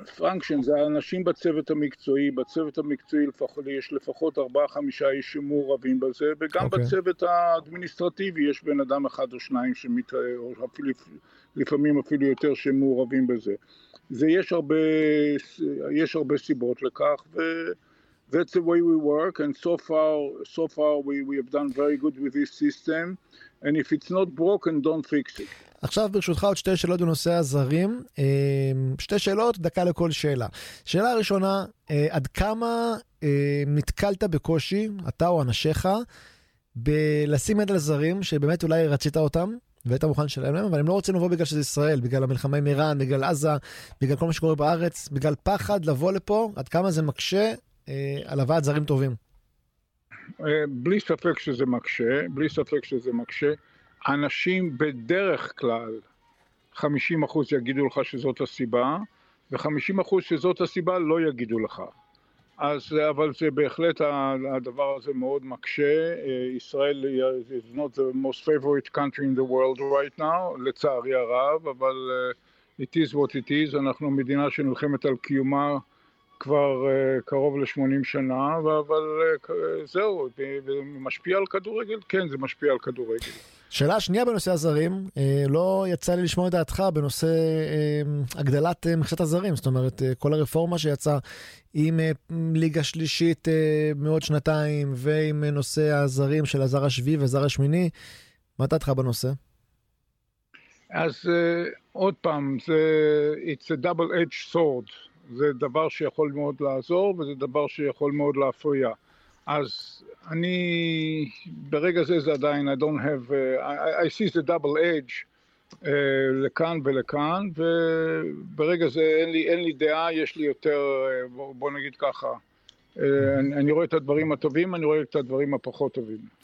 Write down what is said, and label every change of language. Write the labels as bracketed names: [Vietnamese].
[Hebrew] פרנקשן זה אנשים בצוות המקצועי, בצוות המקצועי לפחות, יש לפחות 4-5 איש שמעורבים בזה, וגם okay. בצוות האדמיניסטרטיבי יש בן אדם אחד או שניים שמתאר, או אפילו, לפעמים אפילו יותר שמעורבים בזה. זה יש הרבה, יש הרבה סיבות לכך, ו... [English] That's the way we work, and so far we have done very good with this system, and if it's not broken, don't fix it. [Hebrew] עכשיו ברשותך עוד שתי שאלות בנושא הזרים, שתי שאלות, דקה לכל שאלה. שאלה הראשונה, עד כמה נתקלת בקושי, אתה או אנשיך, בלשים יד על זרים, שבאמת אולי רצית אותם, והיית מוכן לשלם להם, אבל הם לא רוצים לבוא בגלל שזה ישראל, בגלל המלחמה עם איראן, בגלל עזה, בגלל כל מה שקורה בארץ, בגלל פחד לבוא לפה, עד כמה זה מקשה, על הבאת זרים טובים. בלי ספק שזה מקשה, בלי ספק שזה מקשה. אנשים בדרך כלל 50% יגידו לך שזאת הסיבה, ו-50% שזאת הסיבה לא יגידו לך. אז, אבל זה בהחלט, הדבר הזה מאוד מקשה. [English] ישראל is not the most favorite country in the world right now, [Hebrew] לצערי הרב, אבל [English] it is what it is. [Hebrew] אנחנו מדינה שנלחמת על קיומה כבר קרוב ל-80 שנה, אבל זהו, משפיע על כדורגל? כן, זה משפיע על כדורגל. שאלה שנייה בנושא הזרים, לא יצא לי לשמוע את דעתך בנושא הגדלת מכסת הזרים, זאת אומרת, כל הרפורמה שיצא עם ליגה שלישית מאות שנתיים, ועם נושא הזרים של הזר השביעי והזר השמיני, מה דעתך בנושא? אז עוד פעם, [English] it's a double-edged sword. [Hebrew] זה דבר שיכול מאוד לעזור, וזה דבר שיכול מאוד להפריע. אז אני, ברגע זה זה עדיין, [English] I don't have, I see the double edge [Hebrew] לכאן ולכאן, וברגע זה אין לי דעה, יש לי יותר, בוא נגיד ככה, אני רואה את הדברים הטובים, אני רואה את הדברים הפחות טובים.